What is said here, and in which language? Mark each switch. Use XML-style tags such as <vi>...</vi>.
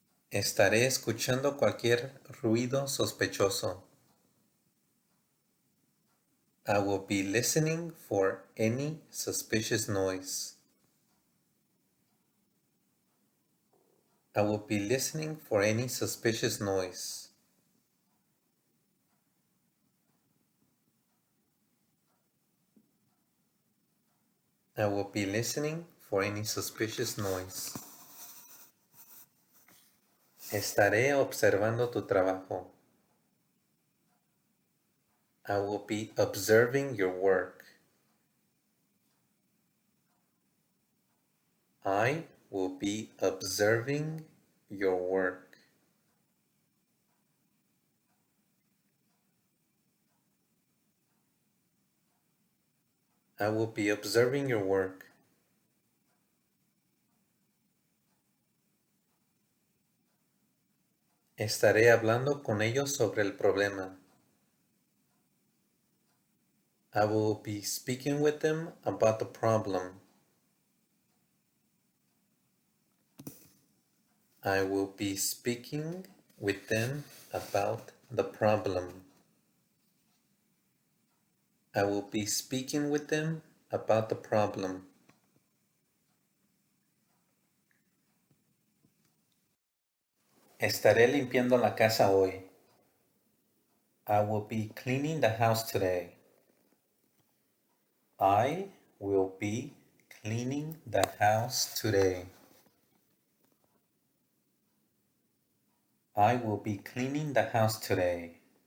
<es>Estaré escuchando cualquier ruido sospechoso.</es> <en>I will be listening for any suspicious noise. I will be listening for any suspicious noise. I will be listening for any suspicious noise.</en> <es>Estaré observando tu trabajo.</es> <en>I will be observing your work. I will be observing your work. I will be observing your work.</en> <es>Estaré hablando con ellos sobre el problema.</es> <en>I will be speaking with them about the problem. I will be speaking with them about the problem. I will be speaking with them about the problem.</en> <es>Estaré limpiando la casa hoy.</es> <en>I will be cleaning the house today. I will be cleaning the house today. I will be cleaning the house today.</en>